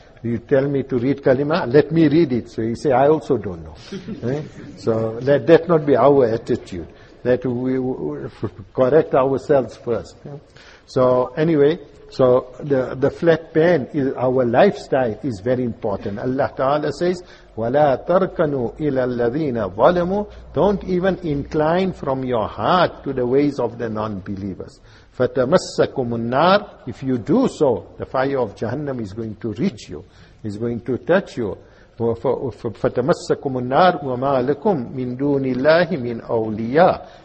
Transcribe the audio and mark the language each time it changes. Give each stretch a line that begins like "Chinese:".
English: You tell me to read Kalima, let me read it. So you say, I also don't know. So let that not be our attitude. That we correct ourselves first. So anyway, so the flat pan is our lifestyle is very important. Allah Ta'ala says,
Arabic: وَلَا تَرْكَنُوا إِلَى الَّذِينَ ظَلَمُوا.
English: Don't even incline from your heart to the ways of the non-believers.
Arabic: فَتَمَسَّكُمُ النَّارِ.
English: If you do so, the fire of Jahannam is going to reach you, is going to touch you.
Arabic: فَتَمَسَّكُمُ النَّارِ وَمَا لَكُمْ مِن دُونِ اللَّهِ مِنْ أَوْلِيَاءِ.